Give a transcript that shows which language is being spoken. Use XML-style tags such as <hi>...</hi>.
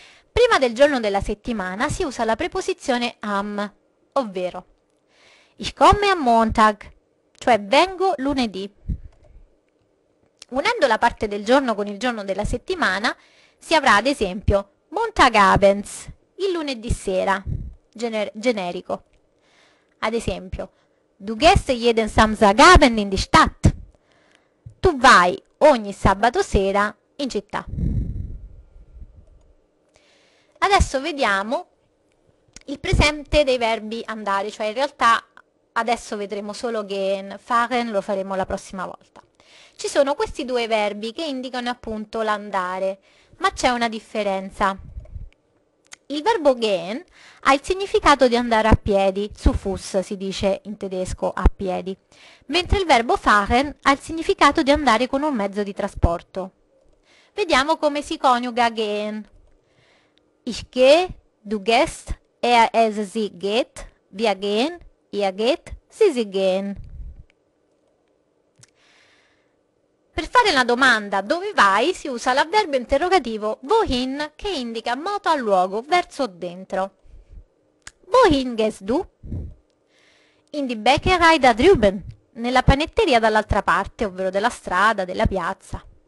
<it>Prima del giorno della settimana si usa la preposizione am, ovvero</it> <de>Ich komme am Montag,</de> <it>cioè vengo lunedì. Unendo la parte del giorno con il giorno della settimana, si avrà ad esempio Montagabends, il lunedì sera, generico. Ad esempio,</it> <de>Du gehst jeden Samstagabend in die Stadt.</de> <it>Tu vai ogni sabato sera in città. Adesso vediamo il presente dei verbi andare, cioè in realtà adesso vedremo solo gehen, fahren lo faremo la prossima volta. Ci sono questi due verbi che indicano appunto l'andare, ma c'è una differenza. Il verbo gehen ha il significato di andare a piedi,</it> <de>zu Fuß</de> <it>si dice in tedesco a piedi, mentre il verbo fahren ha il significato di andare con un mezzo di trasporto. Vediamo come si coniuga gehen.</it> <de>Ich gehe, du gehst, es sie geht, wir gehen, ihr geht, sie sie gehen.</de> <it>Per fare la domanda dove vai si usa l'avverbio interrogativo wohin che indica moto al luogo, verso o dentro.</it> <de>Wohin gehst du? In die Bäckerei da drüben,</de> <it>nella panetteria dall'altra parte, ovvero della strada, della piazza.</it>